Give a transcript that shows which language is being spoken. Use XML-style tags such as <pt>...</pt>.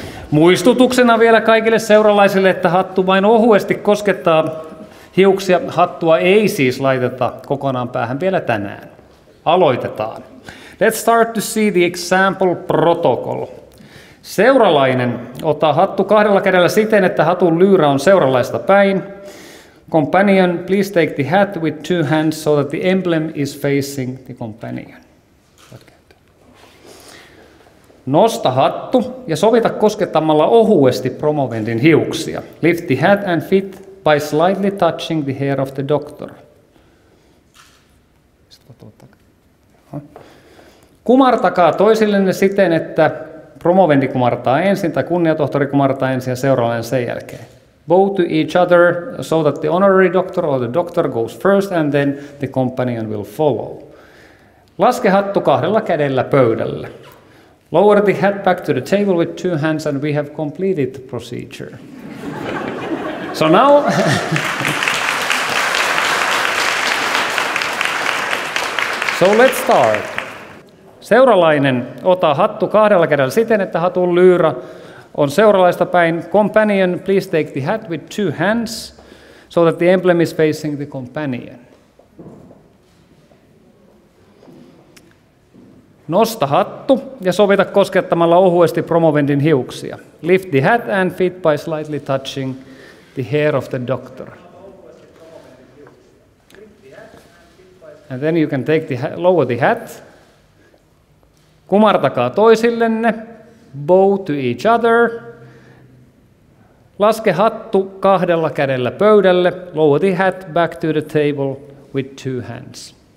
<fi>Muistutuksena vielä kaikille seuralaisille, että hattu vain ohuesti koskettaa hiuksia. Hattua ei siis laiteta kokonaan päähän vielä tänään. Aloitetaan.</fi> <en>Let's start to see the example protocol.</en> <fi>Seuralainen ottaa hattu kahdella kädellä siten, että hatun lyyrä on seuralaista päin.</fi> <en>Companion, please take the hat with two hands so that the emblem is facing the companion.</en> <fi>Nosta hattu ja sovita koskettamalla ohuesti promovendin hiuksia.</fi> <en>Lift the hat and fit by slightly touching the hair of the doctor.</en> <fi>Kumartakaa toisillenne siten, että promovendi kumartaa ensin tai kunniatohtori kumartaa ensin ja seuraavan sen jälkeen.</fi> <en>Bow to each other so that the honorary doctor or the doctor goes first and then the companion will follow.</en> <fi>Laske hattu kahdella kädellä pöydällä.</fi> <en>Lower the hat back to the table with two hands and we have completed the procedure. So now... So let's start.</en> <fi>Seuralainen ottaa hattu kahdella kädellä siten, että hatun lyyrä on seuralaista päin.</fi> <en>Companion, please take the hat with two hands so that the emblem is facing the companion.</en> <fi>Nosta hattu ja sovita koskettamalla ohuesti promovendin hiuksia.</fi> <en>Lift the hat and feet by slightly touching the hair of the doctor. And then you can take the hat, lower the hat.</en> <fi>Kumartakaa toisillenne.</fi> <en>Bow to each other.</en> <fi>Laske hattu kahdella kädellä pöydälle.</fi> <en>Lower the hat back to the table with two hands.</en>